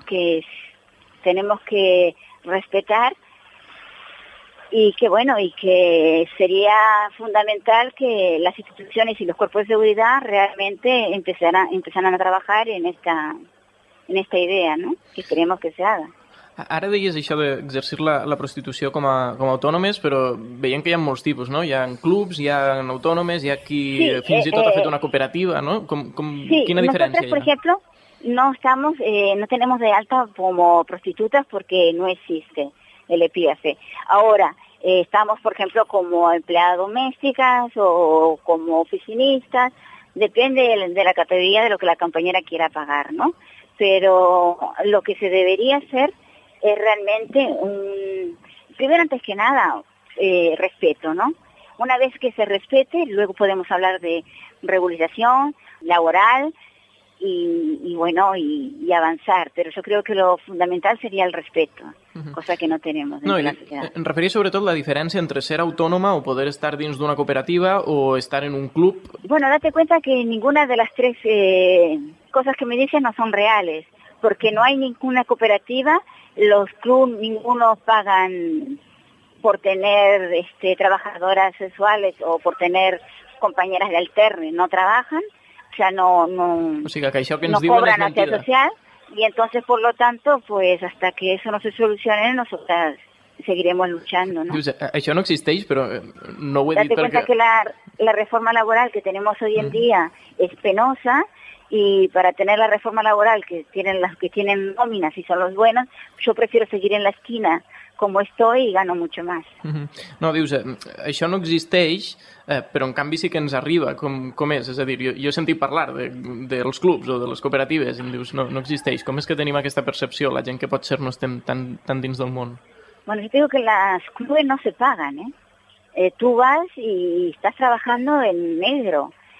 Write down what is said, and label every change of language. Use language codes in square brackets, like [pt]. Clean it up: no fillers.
[es] Que tenemos que respetar y que, bueno, y que sería fundamental que las instituciones y los cuerpos de seguridad realmente empezaran a trabajar en esta idea, ¿no? Que queremos que se haga. [ca] Ara deies això d'exercir la prostitució com a autònomes, però veiem que hi ha molts tipus, no? Hi ha clubs, hi ha autònomes, hi ha qui fins i tot ha fet una cooperativa, no? Quina diferència hi ha? Sí, nosaltres, per exemple, [es] no tenemos de alta como prostitutas porque no existe el EPIAFE. Ahora, estamos, por ejemplo, como empleadas domésticas o como oficinistas, depende de la categoría de lo que la compañera quiera pagar, ¿no? Pero lo que se debería hacer es realmente primero, antes que nada, respeto, ¿no? Una vez que se respete, luego podemos hablar de regularización laboral y avanzar. Pero yo creo que lo fundamental sería el respeto, cosa que no tenemos en la sociedad. [ca] Em referís sobretot la diferència entre ser autònoma o poder estar dins d'una cooperativa o estar en un club. [es] Bueno, date cuenta que ninguna de las tres cosas que me dicen no son reales, porque no hay ninguna cooperativa. Los clubs, ninguno pagan por tener trabajadoras sexuales o por tener compañeras de alterne, no trabajan, o sea, no cobran la seguridad social, y entonces, por lo tanto, pues hasta que eso no se solucione, nosotras seguiremos luchando, ¿no? [ca] Dius, això no existeix, però no ho he dit perquè... [es] Date cuenta que la reforma laboral que tenemos hoy en día es penosa. Y para tener la reforma laboral que tienen las que tienen nóminas y son los buenos, yo prefiero seguir en la esquina como estoy y gano mucho más. [ca] No, dius, això no existeix, però en canvi sí que ens arriba. Com és? És a dir, jo he sentit parlar dels clubs o de les cooperatives i em dius, no existeix. Com és que tenim aquesta percepció, la gent que pot ser no estem tan dins del món? [es] Bueno, yo digo que las clubes no se pagan, ¿eh? Tú vas y estás trabajando en negro.